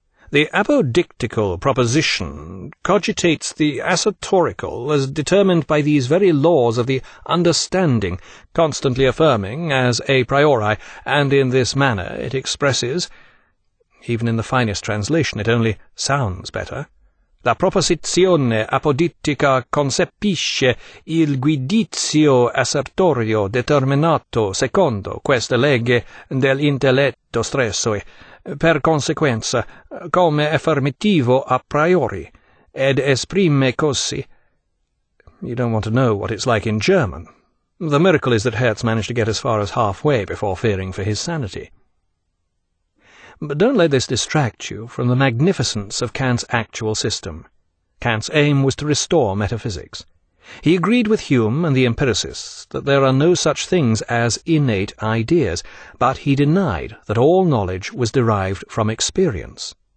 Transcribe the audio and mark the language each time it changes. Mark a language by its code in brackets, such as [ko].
[en] "The apodictical proposition cogitates the assertorical as determined by these very laws of the understanding, constantly affirming as a priori, and in this manner it expresses..." Even in the finest translation it only sounds better. [it] "La proposizione apodittica concepisce il guidizio assertorio determinato secondo queste leghe dell'intelletto stressoe, per conseguenza, come affermativo a priori, ed esprime così..." [en] You don't want to know what it's like in German. The miracle is that Hertz managed to get as far as halfway before fearing for his sanity. But don't let this distract you from the magnificence of Kant's actual system. Kant's aim was to restore metaphysics. He agreed with Hume and the empiricists that there are no such things as innate ideas, but he denied that all knowledge was derived from experience.